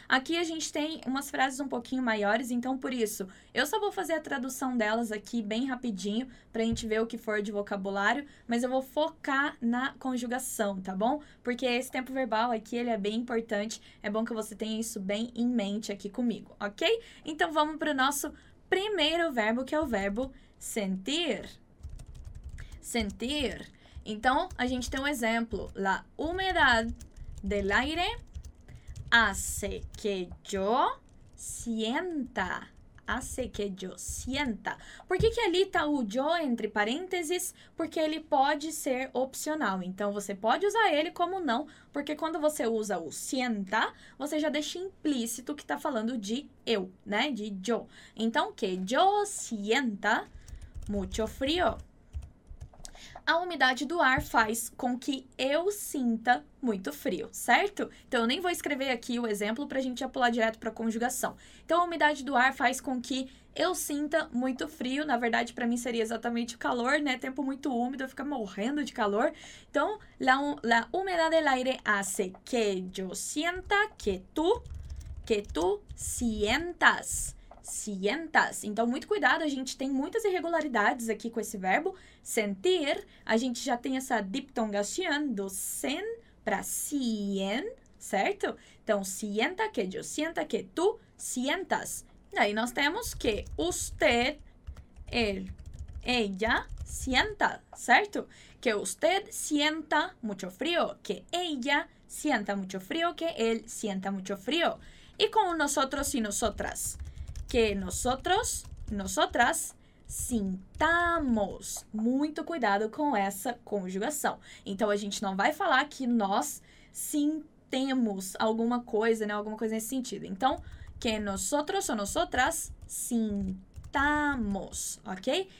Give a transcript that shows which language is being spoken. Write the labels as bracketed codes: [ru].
[pt] Aqui a gente tem umas frases um pouquinho maiores, então por isso eu só vou fazer a tradução delas aqui bem rapidinho para a gente ver o que for de vocabulário, mas eu vou focar na conjugação, tá bom? Porque esse tempo verbal aqui ele é bem importante. É bom que você tenha isso bem em mente aqui comigo, ok? Então vamos para o nosso primeiro verbo, que é o verbo sentir. Sentir. Então, a gente tem um exemplo. [es] La humedad del aire hace que yo sienta. [pt] Hace que yo sienta. Por que que ali tá o yo entre parênteses? Porque ele pode ser opcional. Então, você pode usar ele como não, porque quando você usa o sienta, você já deixa implícito que está falando de eu, né? De yo. [es] Então, que yo sienta mucho frio. [pt] A umidade do ar faz com que eu sinta muito frio, certo? Então, eu nem vou escrever aqui o exemplo para a gente já pular direto para a conjugação. Então, a umidade do ar faz com que eu sinta muito frio. Na verdade, para mim seria exatamente o calor, né? Tempo muito úmido, eu fico morrendo de calor. [es] Então, la humedad del aire hace que yo sienta que tú sientas. Sientas. [pt] Então, muito cuidado, a gente tem muitas irregularidades aqui com esse verbo sentir. A gente já tem essa diptongación do sen para cien, certo? [es] Então, sienta que yo sienta que tú sientas. [pt] Daí nós temos que usted, él, ella sienta, certo? [es] Que usted sienta mucho frío, que ella sienta mucho frío, que él sienta mucho frío. Y con nosotros y nosotras. Que nosotras sintamos. [pt] Muito cuidado com essa conjugação. Então, a gente não vai falar que nós sintemos alguma coisa, né? Alguma coisa nesse sentido. [es] Então, que nosotros ou nosotras sintamos, ok?